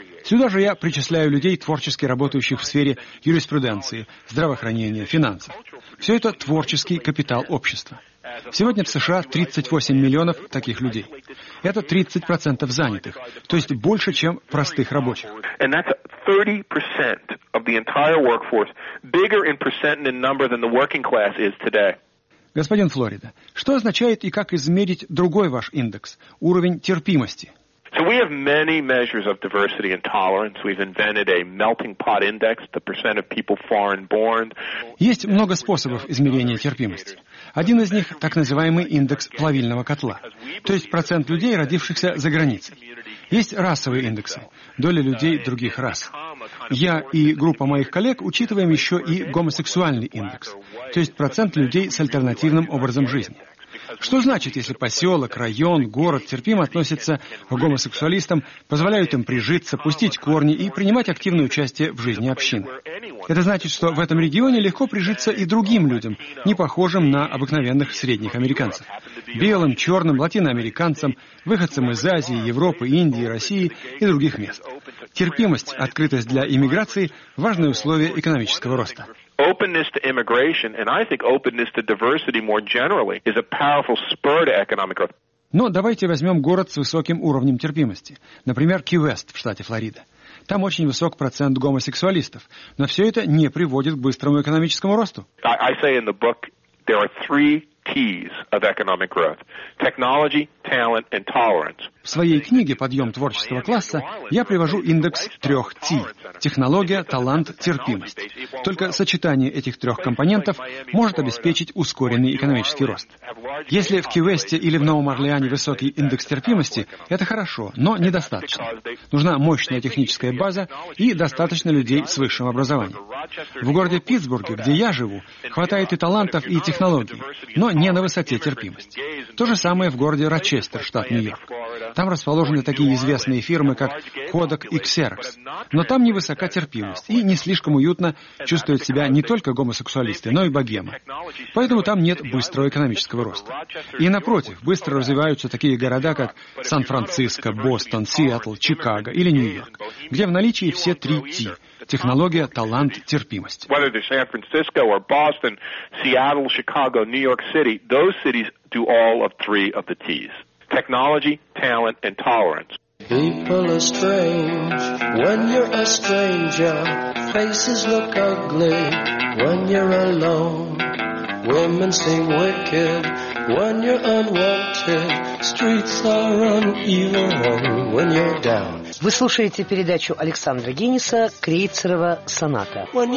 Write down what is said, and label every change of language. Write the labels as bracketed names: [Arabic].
[Russian] Сюда же я причисляю людей, творчески работающих в сфере юриспруденции, здравоохранения, финансов. Все это творческий капитал общества. Сегодня в США 38 миллионов таких людей. Это 30% занятых, то есть больше, чем простых рабочих. [English] And that's 30% of the entire workforce, bigger in percent and in number than the working class is today. [Russian] Господин Флорида, что означает и как измерить другой ваш индекс, уровень терпимости? [English] So we have many measures of diversity and tolerance. We've invented a melting pot index, the percent of people foreign-born. [Russian] Есть много способов измерения терпимости. Один из них — так называемый индекс плавильного котла, то есть процент людей, родившихся за границей. Есть расовые индексы, доля людей других рас. Я и группа моих коллег учитываем еще и гомосексуальный индекс, то есть процент людей с альтернативным образом жизни. Что значит, если поселок, район, город терпимо относятся к гомосексуалистам, позволяют им прижиться, пустить корни и принимать активное участие в жизни общины? Это значит, что в этом регионе легко прижиться и другим людям, не похожим на обыкновенных средних американцев. Белым, черным, латиноамериканцам, выходцам из Азии, Европы, Индии, России и других мест. Терпимость, открытость для иммиграции – важное условие экономического роста. [English] Openness to immigration, and I think openness to diversity more generally, is a powerful spur to economic growth. [Russian] Но давайте возьмем город с высоким уровнем терпимости. Например, Кью-Вест в штате Флорида. Там очень высок процент гомосексуалистов. Но все это не приводит к быстрому экономическому росту. [English] I say in the book, there are three keys of economic growth. Technology, talent, and tolerance. [Russian] В своей книге «Подъем творческого класса» я привожу индекс трех Т – технология, талант, терпимость. Только сочетание этих трех компонентов может обеспечить ускоренный экономический рост. Если в Кью-Весте или в Новом Орлеане высокий индекс терпимости, это хорошо, но недостаточно. Нужна мощная техническая база и достаточно людей с высшим образованием. В городе Питтсбурге, где я живу, хватает и талантов, и технологий, но не на высоте терпимости. То же самое в городе Рочестер, штат Нью-Йорк. Там расположены такие известные фирмы, как Kodak и Xerox. Но там невысока терпимость, и не слишком уютно чувствуют себя не только гомосексуалисты, но и богемы. Поэтому там нет быстрого экономического роста. И напротив, быстро развиваются такие города, как Сан-Франциско, Бостон, Сиэтл, Чикаго или Нью-Йорк, где в наличии все три Т – технология, талант, терпимость. [English] Whether they're Сан-Франциско or Boston, Seattle, Chicago, New York City, those cities do all of three of the T's. Technology, talent, and tolerance. People are strange when you're a stranger. Faces look ugly when you're alone. Women seem wicked when you're unwanted. Streets are uneven when you're down. [Russian] Вы слушаете передачу Александра Генниса «Крейцерова соната».